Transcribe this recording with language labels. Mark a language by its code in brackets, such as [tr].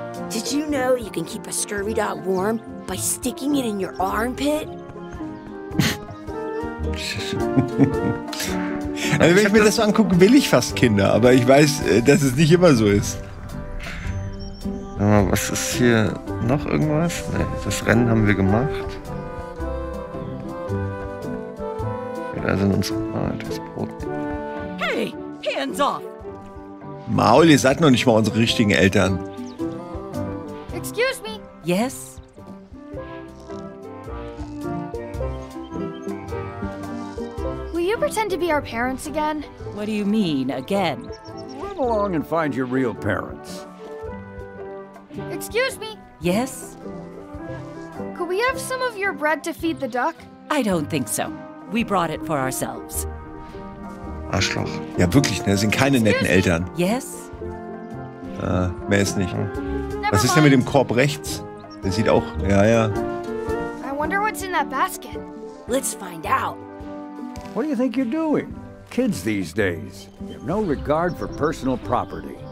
[en] Did you know you can keep a scurvy dog warm by sticking it in your armpit? [de] Also wenn ich mir das so angucke, will ich fast Kinder, aber ich weiß, dass es nicht immer so ist. Was ist hier noch irgendwas? Nee, das Rennen haben wir gemacht. Da sind uns das Brot. [en] Hey, hands off! [de] Maul, ihr seid noch nicht mal unsere richtigen Eltern. [en] Excuse me. Yes. Will you pretend to be our parents again? What do you mean, again? Run along and find your real parents. Excuse me. Yes. Could we have some of your bread to feed the duck? I don't think so. We brought it for ourselves. [de] Arschloch. Ja, wirklich, ne? Das sind keine netten Eltern. [en] Yes. [de] Mehr ist nicht. Hm. Was ist denn mit dem Korb rechts? Der sieht auch. Ja, ja. [en] I wonder what's in that basket. Let's find out. What do you think you're doing? Kids these days. You have no regard for personal property.